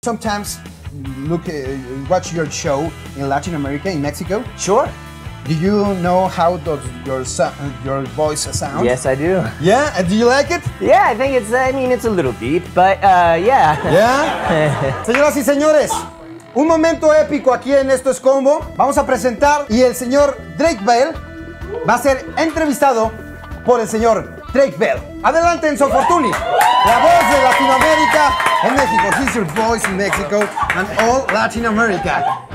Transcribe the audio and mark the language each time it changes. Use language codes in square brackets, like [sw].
[en] sometimes look watch your show in Latin America, in Mexico? Sure. Do you know how does your voice sound? Yes, I do. Yeah, and do you like it? Yeah, I think it's, I mean, it's a little deep, but yeah. Yeah? [es] Señoras y señores, un momento épico aquí en Esto es Combo. Vamos a presentar y el señor Drake Bell va a ser entrevistado por el señor Drake Bell. Adelante, Enzo Fortuny. La voz de Latinoamérica en México. [en] He's your voice in Mexico and all Latin America.